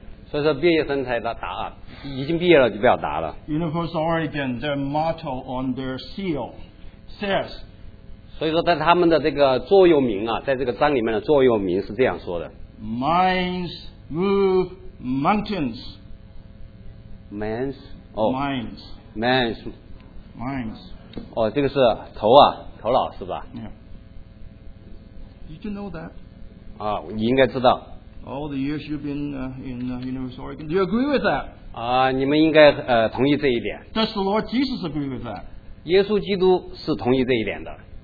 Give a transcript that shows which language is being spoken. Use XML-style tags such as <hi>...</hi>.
<zh>所以说毕业生才答案，已经毕业了就不要答了。</zh> <en>University of Oregon, their motto on their seal says.</en> <zh>所以说在他们的这个座右铭啊，在这个章里面的座右铭是这样说的</zh> <en>Minds move mountains. Minds? Minds. Minds. Minds.</en> <zh>这个是头啊，头脑是吧？</zh> <en>Yeah. Did you know that?</en> <zh>你应该知道。</zh> <en>All the years you've been in the University of Oregon, do you agree with that?</en> <zh>你们应该同意这一点。</zh> <en>Does the Lord Jesus agree with that?</en> <zh>耶稣基督是同意这一点的。</zh>